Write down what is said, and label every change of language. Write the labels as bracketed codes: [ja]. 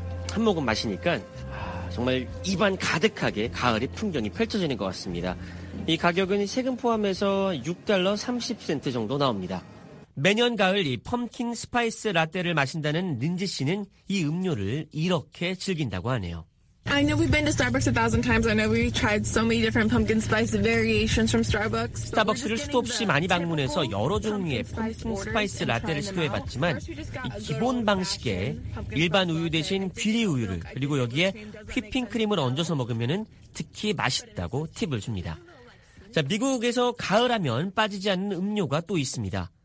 [ko] 한 모금 마시니까 정말 입안 가득하게 가을의 풍경이 펼쳐지는 것 같습니다. 이 가격은 세금 포함해서 6달러 30센트 정도 나옵니다. 매년 가을 이 펌킨 스파이스 라떼를 마신다는 린지 씨는 이 음료를 이렇게 즐긴다고 하네요. [en] I know we've been to Starbucks a thousand times. I know we've tried so many different pumpkin spice variations from Starbucks. [ko] 스타벅스를 수도 없이 많이 방문해서 여러 종류의 펌킨 스파이스 라떼를 시도해봤지만 이 기본 방식에 일반 우유 대신 귀리 우유를 그리고 여기에 휘핑크림을 얹어서 먹으면 특히 맛있다고 팁을 줍니다. 자, 미국에서 가을하면 빠지지 않는 음료가 또 있습니다.